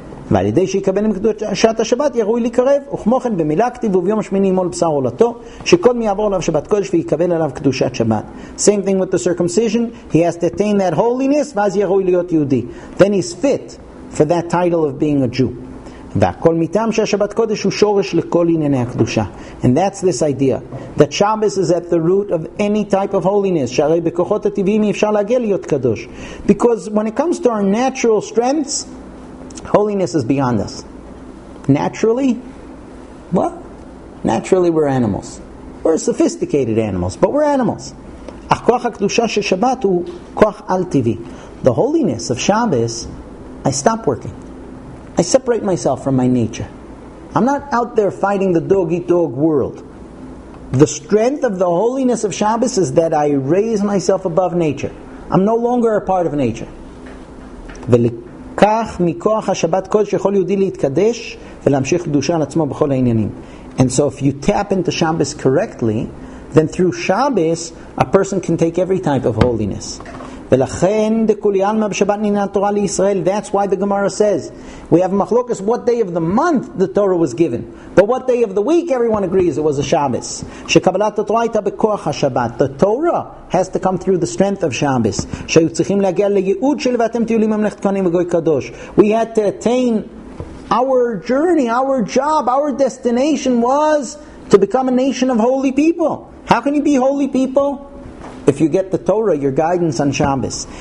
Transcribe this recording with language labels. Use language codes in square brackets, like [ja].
[he] ועל ידי שיקבל עם קדושת השבת יראוי להיקרב, וכמו כן במילה כתיב וביום שמיני מול בשר עולתו, שכל מי יעבור עליו שבת קודש ויקבל עליו קדושת שבת. [en] Same thing with the circumcision, he has to attain that holiness, [he] ואז יראוי להיות יהודי. [en] Then he's fit for that title of being a Jew. [he] והכל מטעם שהשבת קודש הוא שורש לכל ענייני הקדושה. [en] And that's this idea, that Shabbos is at the root of any type of holiness, [he] שהרי בכוחות הטבעיים אי אפשר להגיע להיות קדוש. [en] Because when it comes to our natural strengths, holiness is beyond us. Naturally, what? Naturally, we're animals. We're sophisticated animals, but we're animals. [he] Ach koach hakdusha she Shabbat hu koach al tivi. [en] The holiness of Shabbos, I stop working. I separate myself from my nature. I'm not out there fighting the dog-eat-dog world. The strength of the holiness of Shabbos is that I raise myself above nature. I'm no longer a part of nature. [he] כך מכוח השבת קודש שיכול יהודי להתקדש ולהמשיך קדושה על עצמו בכל העניינים. [en] And so if you tap into Shabbos correctly, then through Shabbos, a person can take every type of holiness. [he] ולכן דכולי עלמא בשבת ניתנה תורה לישראל. [en] That's why the Gemara says, we have machlokas what day of the month the Torah was given. But what day of the week, everyone agrees it was a Shabbos. [he] שקבלת התורה הייתה בכוח השבת. [en] The Torah has to come through the strength of Shabbos. [he] שהיו צריכים להגיע לייעוד של ואתם טיולים ממלכת כהנים וגוי קדוש. [en] We had to attain our journey, our job, our destination was to become a nation of holy people. How can you be holy people? If you get the Torah, your guidance on Shabbos.